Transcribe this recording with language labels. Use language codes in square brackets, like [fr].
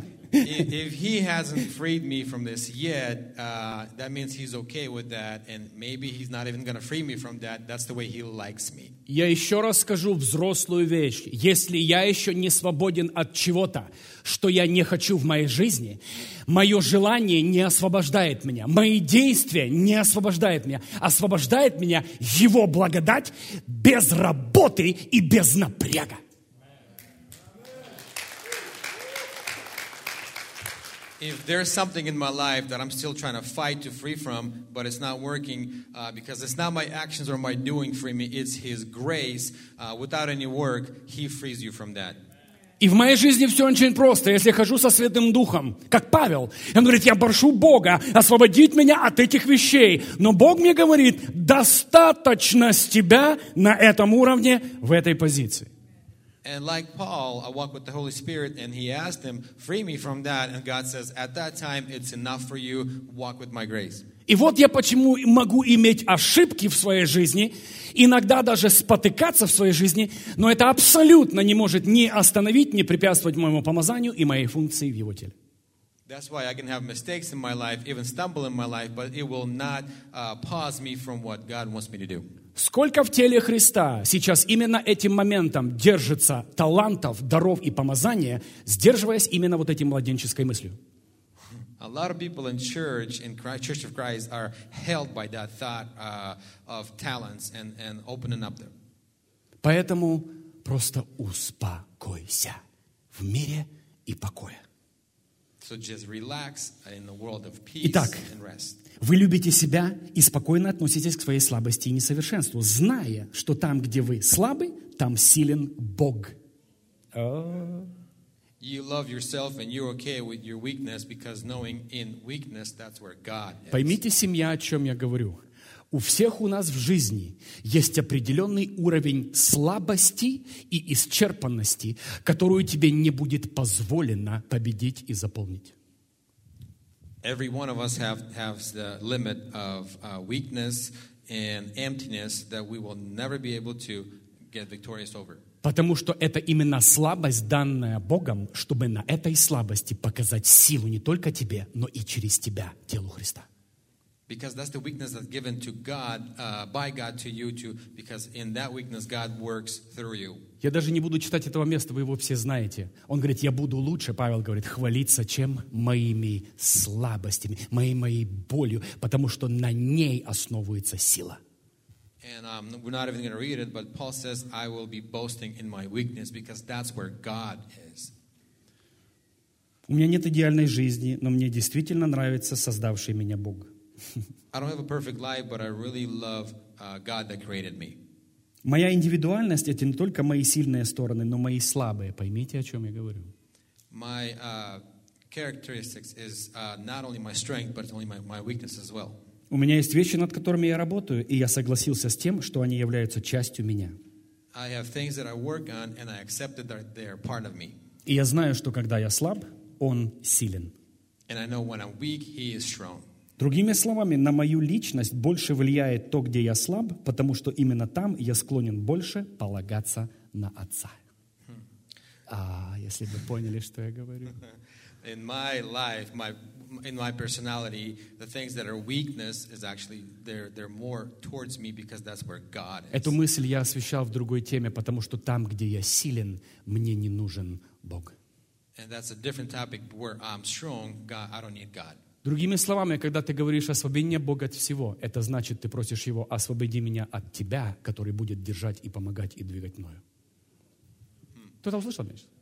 [en] If he hasn't freed me from this yet, that means he's okay with that, and maybe he's not even going to free me from that. That's the way he likes me. [ru] Я еще раз скажу взрослую вещь. Если я еще не свободен от чего-то, что я не хочу в моей жизни, мое желание не освобождает меня, мои действия не освобождают меня, освобождает меня его благодать без работы и без напряга. [en] If there's something in my life that I'm still trying to fight to free from, but it's not working, because it's not my actions or my doing free me, it's His grace. Without any work, He frees you from that. [ru] И в моей жизни все очень просто. Если я хожу со Святым Духом, как Павел, он говорит, я прошу Бога освободить меня от этих вещей. Но Бог мне говорит, достаточно с тебя на этом уровне, в этой позиции. [en] And like Paul, I walk with the Holy Spirit, and he asked him, free me from that. And God says, at that time, it's enough for you. Walk with my grace. [ru] И вот я почему могу иметь ошибки в своей жизни, иногда даже спотыкаться в своей жизни, но это абсолютно не может ни остановить, ни препятствовать моему помазанию и моей функции в его теле. [en] That's why I can have mistakes in my life, even stumble in my life, but it will not pause me from what God wants me to do. [ru] Сколько в теле Христа сейчас именно этим моментом держится талантов, даров и помазания, сдерживаясь именно вот этим младенческой мыслью? [en] A lot of people in church, in Church of Christ, are held by that thought of talents and opening up them. [ru] Поэтому просто успокойся в мире и покоя. [en] So just relax in the world of peace. [ru] Итак, [en] and rest. [ru] Вы любите себя и спокойно относитесь к своей слабости и несовершенству, зная, что там, где вы слабы, там силен Бог. [en] You love yourself and you're okay with your weakness because knowing in weakness that's where God is. [ru] Поймите, семья, о чем я говорю. У всех у нас в жизни есть определенный уровень слабости и исчерпанности, которую тебе не будет позволено победить и заполнить. [en] Every one of us has the limit of weakness and emptiness that we will never be able to get victorious over. [ru] Потому что это именно слабость, данная Богом, чтобы на этой слабости показать силу не только тебе, но и через тебя, телу Христа. [en] Because that's the weakness that's given to God, by God to you, too, because in that weakness God works through you. [ru] Я даже не буду читать этого места, вы его все знаете. Он говорит, я буду лучше, Павел говорит, хвалиться, чем моими слабостями, моей болью, потому что на ней основывается сила. [en] And we're not even going to read it, but Paul says, I will be boasting in my weakness, because that's where God is. [ru] У меня нет идеальной жизни, но мне действительно нравится создавший меня Бог. [en] I don't have a perfect life, but I really love God that created me. [ru] Моя индивидуальность — это не только мои сильные стороны, но мои слабые. Поймите, о чем я говорю. [en] My characteristics is not only my strength, but it's only my weakness as well. [ru] У меня есть вещи, над которыми я работаю, и я согласился с тем, что они являются частью меня. [en] I have things that I work on, and I accepted that they're part of me. [ru] И я знаю, что когда я слаб, он силен. [en] And I know when I'm weak, he is strong. [ru] Другими словами, на мою личность больше влияет то, где я слаб, потому что именно там я склонен больше полагаться на Отца. Если бы поняли, что я говорю. [en] In my life, my, in my personality, the things that are weakness is actually they're more towards me because that's where God is. [ru] Эту мысль я освещал в другой теме, потому что там, где я силен, мне не нужен Бог. [en] And that's a different topic where I'm strong, God, I don't need God. [ru] Другими словами, когда ты говоришь «освободи Бога от всего», это значит, ты просишь Его «освободи меня от тебя, который будет держать и помогать и двигать мною». Кто-то услышал меня?